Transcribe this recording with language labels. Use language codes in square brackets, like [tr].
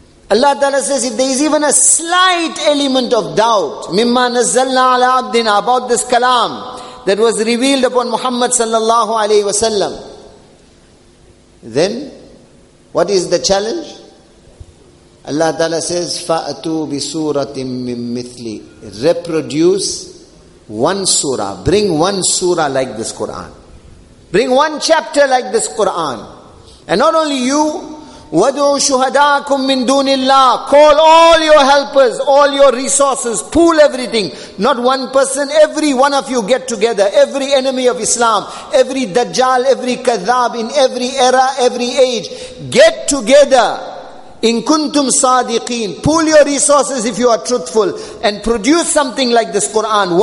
[en] Allah Ta'ala says, if there is even a slight element of doubt, mimma nazzalna ala abdina, about this kalam that was revealed upon Muhammad sallallahu alayhi wa sallam, then what is the challenge? Allah Ta'ala says, [ar] فَأْتُوا بِسُورَةٍ مِّن مِثْلِ. [en] Reproduce one surah. Bring one surah like this Quran. Bring one chapter like this Quran. And not only you, [ar] وَدُعُوا شُهَدَاكُم مِّن دُونِ اللَّهِ. [en] Call all your helpers, all your resources, pool everything. Not one person, every one of you get together. Every enemy of Islam, every Dajjal, every Kadhab, in every era, every age, get together. In kuntum sadiqeen, pull your resources if you are truthful and produce something like this Quran.